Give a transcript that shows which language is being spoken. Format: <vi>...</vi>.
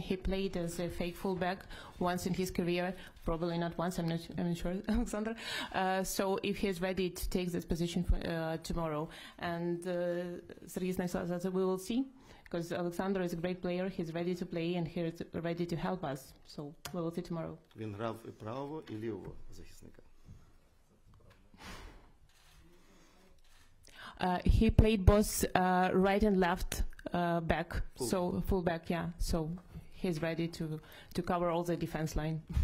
<en>He played as a fake fullback once in his career, probably not once, I'm not sure, Oleksandr. So if he's ready to take this position for, tomorrow, and Sergei Stanislav says we will see, because Oleksandr is a great player, he's ready to play and he's ready to help us. So we will see tomorrow.</en> <uk>Він грав і правого, і лівого захисника.</uk> <en>He played both right and left back, full back, yeah. So he's ready to cover all the defense line.</en>